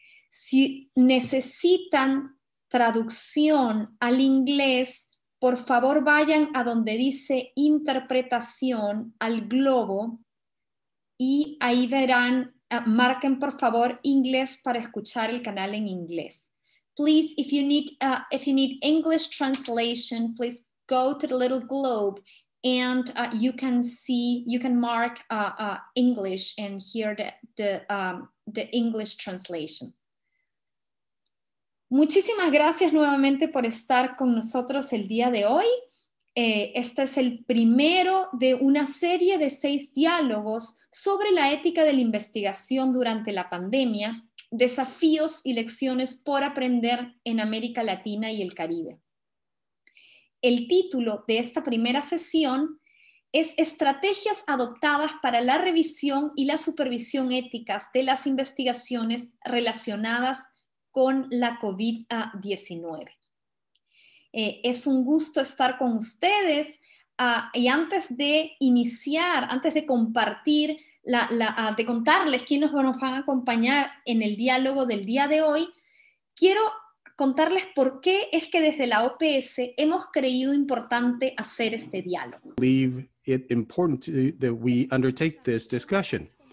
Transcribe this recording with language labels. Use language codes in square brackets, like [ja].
[es] Si necesitan traducción al inglés, por favor vayan a donde dice interpretación, al globo, y ahí verán, marquen por favor inglés para escuchar el canal en inglés. [en] Please, if you need English translation, please go to the little globe and you can mark English and hear the English translation. [es] Muchísimas gracias nuevamente por estar con nosotros el día de hoy. Este es el primero de una serie de 6 diálogos sobre la ética de la investigación durante la pandemia, desafíos y lecciones por aprender en América Latina y el Caribe. El título de esta primera sesión es Estrategias adoptadas para la revisión y la supervisión éticas de las investigaciones relacionadas con la COVID-19. Es un gusto estar con ustedes y antes de iniciar, antes de compartir, de contarles quiénes nos van a acompañar en el diálogo del día de hoy, quiero contarles por qué es que desde la OPS hemos creído importante hacer este diálogo. [en] Believe it important that we undertake this discussion.